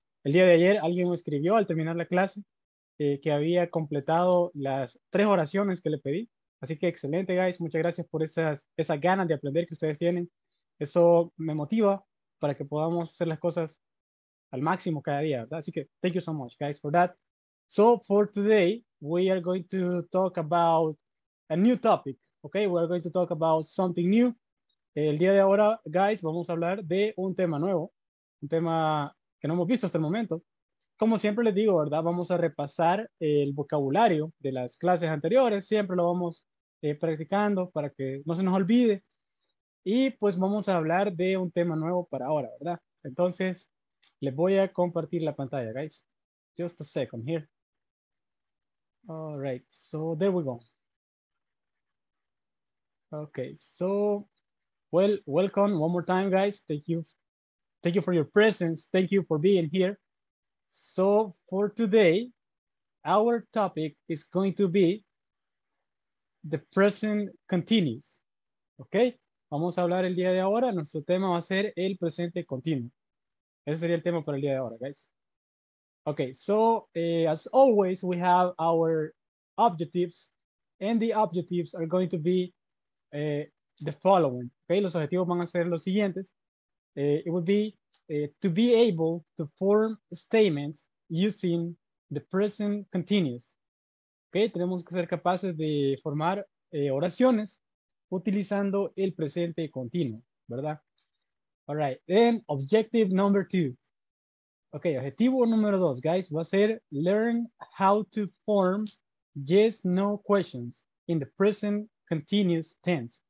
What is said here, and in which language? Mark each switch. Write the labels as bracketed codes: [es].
[es] El día de ayer alguien me escribió al terminar la clase que había completado las tres oraciones que le pedí. Así que excelente, guys. Muchas gracias por esas ganas de aprender que ustedes tienen. Eso me motiva para que podamos hacer las cosas al máximo cada día, ¿verdad? Así que, [en] thank you so much, guys, for that. So, for today, we are going to talk about a new topic, okay? We are going to talk about something new. [es] El día de ahora, guys, vamos a hablar de un tema nuevo, un tema que no hemos visto hasta el momento. Como siempre les digo, ¿verdad? Vamos a repasar el vocabulario de las clases anteriores. Siempre lo vamos practicando para que no se nos olvide. Y, pues, vamos a hablar de un tema nuevo para ahora, ¿verdad? Entonces, les voy a compartir la pantalla, guys. [en] Just a second here. All right, so there we go. Okay, so, well, welcome one more time, guys. Thank you for your presence. Thank you for being here. So for today, our topic is going to be the present continuous. [es] Okay, vamos a hablar el día de ahora. Nuestro tema va a ser el presente continuo. Ese sería el tema para el día de ahora, guys. [en] Okay, so as always, we have our objectives, and the objectives are going to be the following. Okay, [es] los objetivos van a ser los siguientes. [en] It would be to be able to form statements using the present continuous. [es] Okay, tenemos que ser capaces de formar oraciones utilizando el presente continuo, ¿verdad? [en] All right, then objective number two. Okay, [es] objetivo número dos, guys, va a ser [en] learn how to form yes, no questions in the present continuous tense.